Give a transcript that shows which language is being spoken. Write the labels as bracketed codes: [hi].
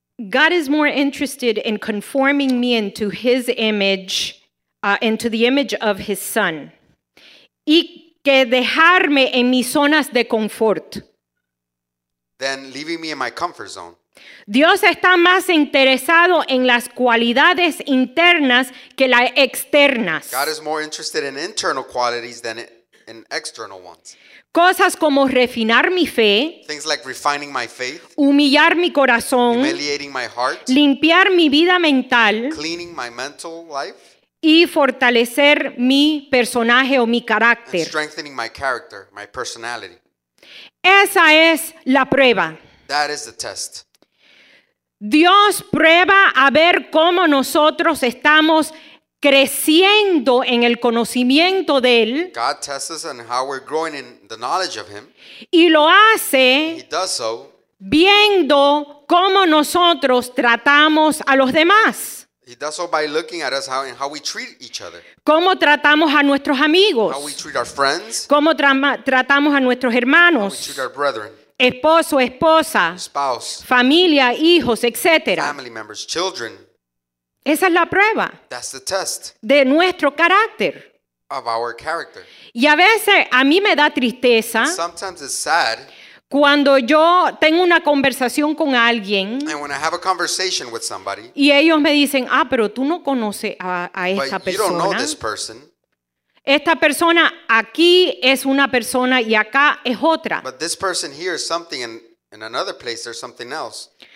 [en] God is more interested in conforming me into his image, into the image of his son, [es] y que dejarme en mis zonas de confort. [en] Than leaving me in my comfort zone. [es] Dios está más interesado en las cualidades internas que las externas. [en] God is more interested in internal qualities than in external ones. [es] Cosas como refinar mi fe, [en] things like refining my faith, [es] humillar mi corazón, [en] humiliating my heart, [es] limpiar mi vida mental, [en] cleaning my mental life, [es] y fortalecer mi personaje o mi carácter. [en] And strengthening my character, my personality. [es] Esa es la prueba. [en] That is the test. [es] Dios prueba a ver cómo nosotros estamos creciendo en el conocimiento de él. [en] God tests us on how we're growing in the knowledge of him. [es] Y lo hace, [en] he does so, [es] viendo cómo nosotros tratamos a los demás. [en] He does so by looking at us and how we treat each other. [es] Cómo tratamos a nuestros amigos. [en] How we treat our friends. [es] Cómo tratamos a nuestros hermanos. [en] How we treat our brethren. [es] Esposo, esposa, [en] spouse, [es] familia, hijos, etcétera. [en] Family members, children. [es] Esa es la prueba. [en] That's the test. [es] De nuestro carácter. [en] Of our character. [es] Y a veces a mí me da tristeza. [en] And sometimes it's sad. [es] Cuando yo tengo una conversación con alguien. [en] And when I have a conversation with somebody. [es] Y ellos me dicen, ah, pero tú no conoces a esta persona. [en] But you don't know this person. [es] Esta persona aquí es una persona y acá es otra. [en] But this person here is something and in another place there's something else.